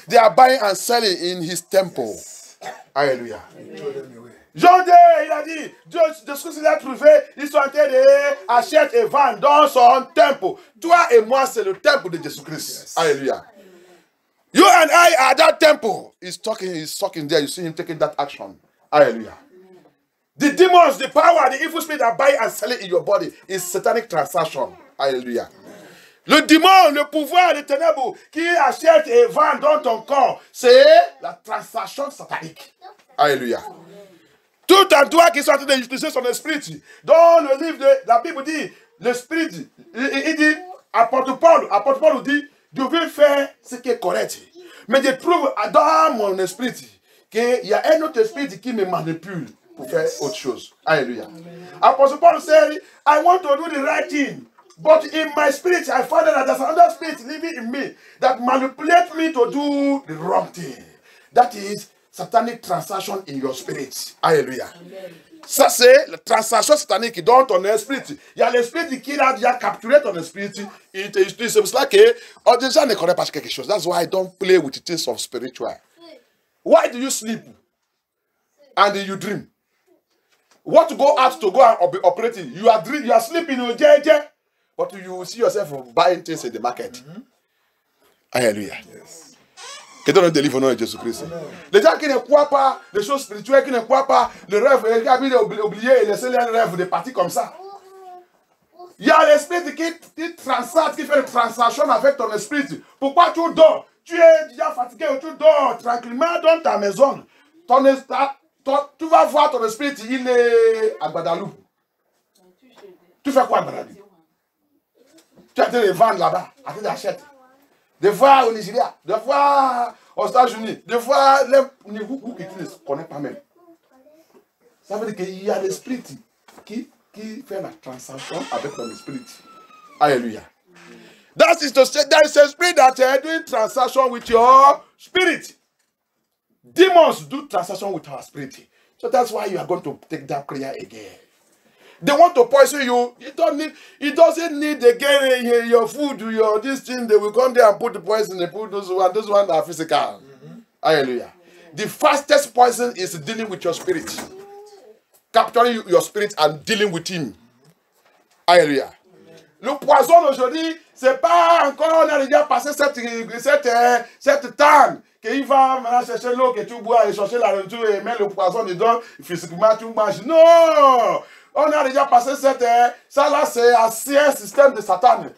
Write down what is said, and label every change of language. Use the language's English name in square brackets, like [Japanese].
[English] They are buying and selling in his temple. Yes. Hallelujah. [French] John Day, il a dit, Jésus l'a trouvé, ils sont en train d'acheter et vendre dans son temple. Toi et moi, c'est le temple de Jésus-Christ. [English] Hallelujah. You and I are that temple. He's talking there. You see him taking that action. Hallelujah. The demons, the power, the evil spirit that buy and sell it in your body is satanic transaction. Hallelujah. [French] Le démon, le pouvoir, le ténèbre qui achète et vend dans ton corps, c'est la transaction satanique. Hallelujah. Tout en toi qui sont en train d'utiliser son esprit, dans le livre de la Bible dit, l'esprit, il dit, apôtre Paul dit, je veux faire ce qui est correct. Mais je trouve dans mon esprit qu'il y a un autre esprit qui me manipule. Faire autre chose. Alléluia. [English] Apostle Paul said, I want to do the right thing, but in my spirit I find that there's another spirit living in me that manipulates me to do the wrong thing. That is satanic transaction in your spirit. Alléluia. [French] Ça c'est la transaction satanique dans ton esprit. Il y a l'esprit qui a déjà capturé ton esprit. C'est pour cela que les gens ne connaissent pas quelque chose. [English] That's why I don't play with the things of spiritual. Why do you sleep and you dream? What to go out to go and be operating? You are dreaming, you are sleeping, you know, yeah. But you see yourself buying things in the market. Hallelujah. Yes. [French] Que Dieu nous délivre au nom de Jésus Christ. Les gens qui ne croient pas, les choses spirituelles qui ne croient pas, le rêve, les gens qui ont oublié et laissé les rêves de partir comme ça. Il y a l'esprit qui transacte, qui fait une transaction avec ton esprit. Pourquoi tu dors? Tu es déjà fatigué, tu dors tranquillement dans ta maison. Ton esprit. Tu vas voir ton esprit, il est à Guadeloupe. Tu fais quoi, Bradley? Tu as été les vendre là-bas, à qui t'achètes? Des fois au Nigeria, des fois aux États-Unis, des fois les niveaux que tu ne connais pas même. Ça veut dire qu'il y a l'esprit qui fait la transaction avec ton esprit. Alléluia. [English] That is to say, there is a spirit that is doing transaction with your spirit. Demons do transaction with our spirit. So that's why you are going to take that prayer again. They want to poison you. It doesn't need again your food, your this thing. They will come there and put the poison. They put those ones that are physical. Mm-hmm. Hallelujah. The fastest poison is dealing with your spirit. Capturing your spirit and dealing with him. Hallelujah. [French] Le poison aujourd'hui, ce n'est pas encore, on a déjà passé cette temps qu'il va maintenant chercher l'eau que tu bois et chercher la nourriture et mettre le poison dedans, physiquement tu manges. Non! On a déjà passé ça là c'est assez un système de Satan.